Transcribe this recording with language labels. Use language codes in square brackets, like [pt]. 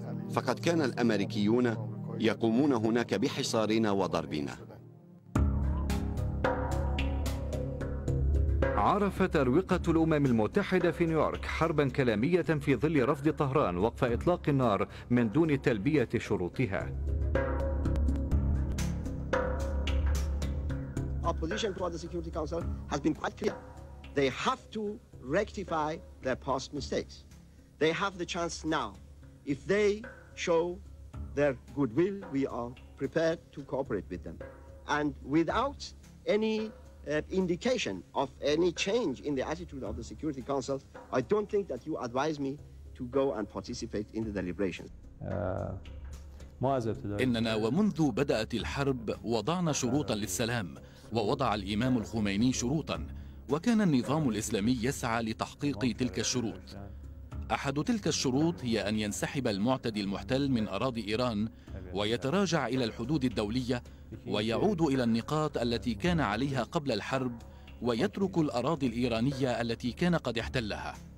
[ar] فقد كان الأمريكيون يقومون هناك بحصارنا وضربنا. عرفت أروقة الأمم المتحدة في نيويورك حربا كلامية في ظل رفض طهران وقف إطلاق النار من دون تلبية شروطها. [en] Opposition towards the Security Council has been quite clear. They have to rectify their past mistakes. They have the chance now. If they show their goodwill, we are prepared to cooperate with them. And without any indication of any change in the attitude of the Security Council, I don't think that you advise me to go and participate in the deliberations. [ar] إننا ومنذ بدأت الحرب وضعنا شروطا للسلام، ووضع الإمام الخميني شروطا، وكان النظام الإسلامي يسعى لتحقيق تلك الشروط. أحد تلك الشروط هي أن ينسحب المعتدي المحتل من أراضي إيران ويتراجع إلى الحدود الدولية ويعود إلى النقاط التي كان عليها قبل الحرب ويترك الأراضي الإيرانية التي كان قد احتلها.